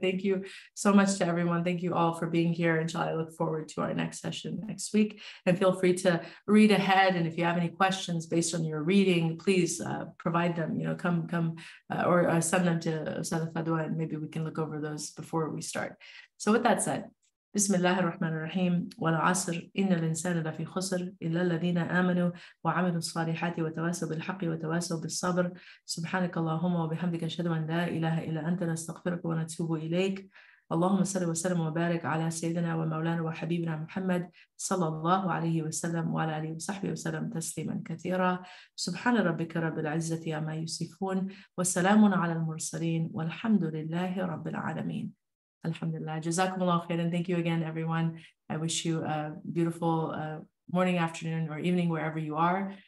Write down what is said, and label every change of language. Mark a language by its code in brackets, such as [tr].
[en] Thank you so much to everyone. Thank you all for being here. Inshallah, I look forward to our next session next week. And feel free to read ahead. And if you have any questions based on your reading, please provide them. You know, come or send them to Ustadha Fadwa, and maybe we can look over those before we start. So with that said, [ar] بسم الله الرحمن الرحيم والعصر إن الإنسان لفي خسر إلا الذين آمنوا وعملوا الصالحات وتواسوا بالحق وتواسوا بالصبر سبحانك اللهم وبحمدك أشهد أن لا إله إلا أنت نستغفرك ونتوب إليك اللهم صل وسلم وبارك على سيدنا ومولانا وحبيبنا محمد صلى الله عليه وسلم وعلى آله وصحبه وسلم تسليما كثيرا سبحان ربك رب العزة عما يصفون وسلام على المرسلين والحمد لله رب العالمين Alhamdulillah. Jazakumullah khair. [en] And thank you again, everyone. I wish you a beautiful morning, afternoon, or evening, wherever you are.